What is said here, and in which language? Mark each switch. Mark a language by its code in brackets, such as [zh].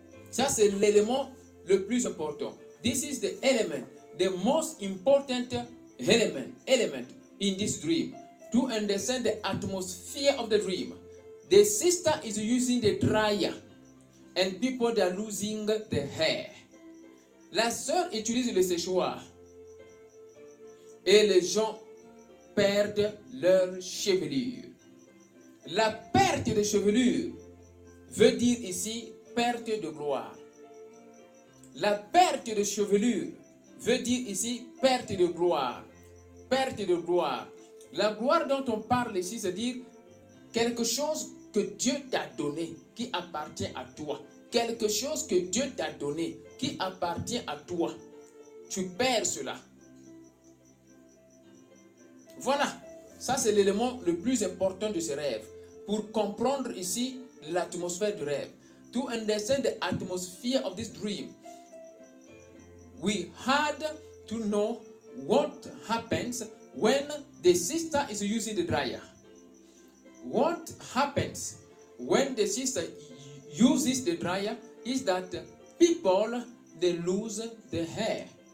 [fr] Ça, c'est l'élément le plus important. [en] This is the element, the most important element in this dream. To understand the atmosphere of the dream, the sister is using the dryer and people are losing their hair. [fr] La sœur utilise le séchoir et les gens perdent leur chevelure. La perte de chevelure veut dire ici perte de gloire. La perte de chevelure veut dire ici perte de gloire. Perte de gloire. La gloire dont on parle ici, c'est-à-dire quelque chose que Dieu t'a donné, qui appartient à toi. Quelque chose que Dieu t'a donné, qui appartient à toi. Tu perds cela. Voilà. Ça, c'est l'élément le plus important de ce rêve. Pour comprendre ici l'atmosphère du rêve. [en] To understand the atmosphere of this dream, we had to know what happens when the sister is using the dryer. What happens when the sister uses the dryer is that people, they lose their hair.